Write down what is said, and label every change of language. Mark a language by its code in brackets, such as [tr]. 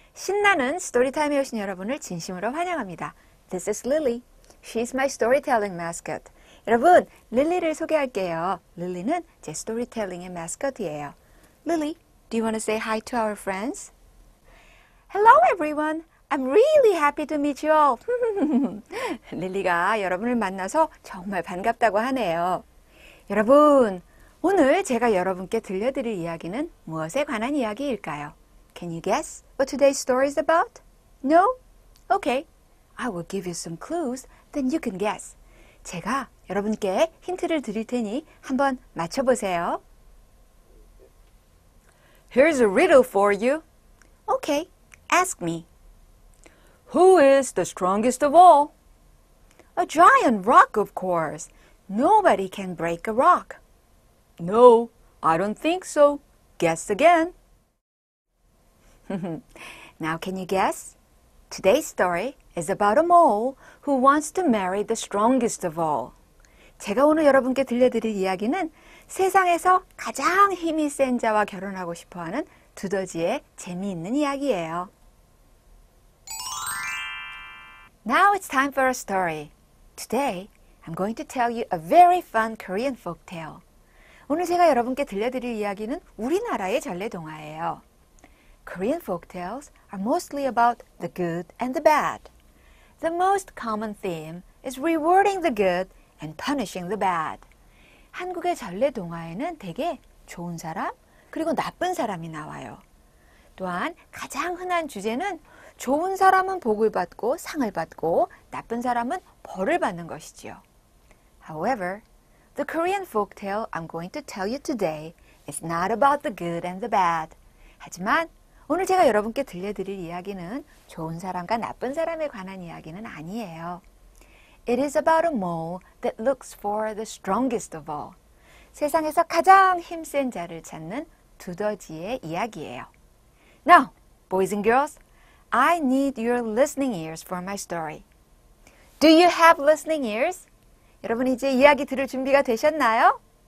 [ko] 신나는 스토리 타임에 오신 여러분을 진심으로 환영합니다. [en] This is Lily. She's my storytelling mascot. [ko] 여러분, 릴리를 소개할게요. 릴리는 제 스토리텔링의 마스코트예요. [en] Lily, do you want to say hi to our friends? Hello, everyone. I'm really happy to meet you all. [ko] 릴리가 여러분을 만나서 정말 반갑다고 하네요. 여러분, 오늘 제가 여러분께 들려드릴 이야기는 무엇에 관한 이야기일까요? [en] Can you guess what today's story is about? No? Okay. I will give you some clues, then you can guess. [ko] 제가 여러분께 힌트를 드릴 테니 한번 맞춰보세요. [en] Here's a riddle for you. Okay, ask me. Who is the strongest of all? A giant rock, of course. Nobody can break a rock. No, I don't think so. Guess again. Now can you guess? Today's story is about a mole who wants to marry the strongest of all. [ko] 제가 오늘 여러분께 들려드릴 이야기는 세상에서 가장 힘이 센 자와 결혼하고 싶어하는 두더지의 재미있는 이야기예요. [en] Now it's time for a story. Today, I'm going to tell you a very fun Korean folk tale. [ko] 오늘 제가 여러분께 들려드릴 이야기는 우리나라의 전래동화예요. [en] Korean folk tales are mostly about the good and the bad. The most common theme is rewarding the good and punishing the bad. [ko] 한국의 전래 동화에는 되게 좋은 사람 그리고 나쁜 사람이 나와요. 또한 가장 흔한 주제는 좋은 사람은 복을 받고 상을 받고 나쁜 사람은 벌을 받는 것이지요. [en] However, the Korean folk tale I'm going to tell you today is not about the good and the bad. [ko] 하지만 오늘 제가 여러분께 들려드릴 이야기는 좋은 사람과 나쁜 사람에 관한 이야기는 아니에요. [en] It is about a mole that looks for the strongest of all. [ko] 세상에서 가장 힘센 자를 찾는 두더지의 이야기예요. [en] Now, boys and girls, I need your listening ears for my story. Do you have listening ears? [ko] 여러분 이제 이야기 들을 준비가 되셨나요?